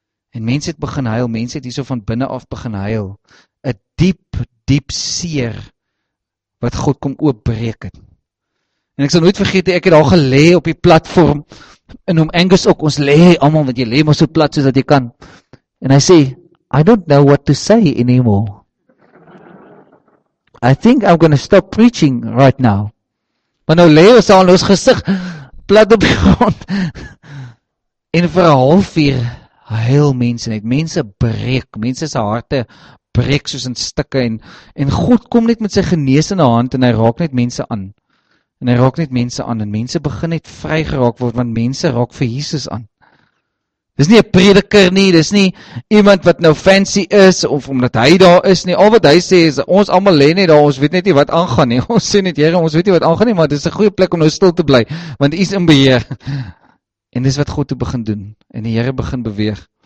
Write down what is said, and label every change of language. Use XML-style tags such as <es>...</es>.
<af>en mense het begin huil, mense het hier so van binne af begin huil, 'n diep, diep seer, wat God kom oopbreek het, en ek sal nooit vergeet, ek het al gelê op die platform, en om Angus ook, ons lê allemaal, want jy lê maar so plat, soos dat jy kan, en hy sê,</af> <en>I don't know what to say anymore, I think I'm going to stop preaching right now.</en> <af>Maar nou leeuw sal ons gezicht plat op die grond. En vir een half uur huil mense net. Mense breek. Mense sy harte breek soos in stikke. En God kom net met sy genees in die hand en hy raak net mense aan. En hy raak net mense aan. En mense begin net vry geraak word, want mense raak vir Jesus aan. Dis nie een prediker nie, dis nie iemand wat nou fancy is, of omdat hy daar is nie, al wat hy sê is, ons allemaal lê nie daar, ons weet net nie wat aangaan nie, ons sê net, Here, ons weet nie wat aangaan nie, maar dis een goeie plek om nou stil te bly, want hy is in beheer, en dis wat God toe begin doen, en die Here begin beweeg,</af>